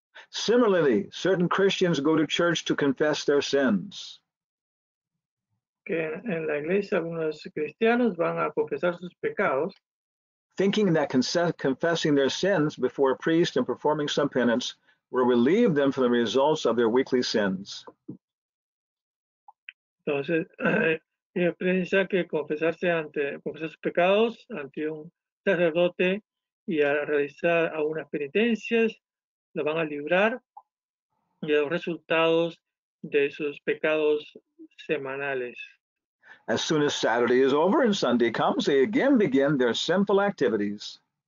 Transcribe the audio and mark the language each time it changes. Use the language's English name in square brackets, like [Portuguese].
[English] Similarly, certain Christians go to church to confess their sins. [Spanish] En la iglesia, algunos cristianos van a confesar sus pecados, [English] thinking that confessing their sins before a priest and performing some penance will relieve them from the results of their weekly sins. [Spanish] Entonces, ella piensa que confesar sus pecados ante un sacerdote y a realizar algunas penitencias, lo van a librar de los resultados de sus pecados semanales. [English] As soon as Saturday is over and Sunday comes, they again begin their sinful activities.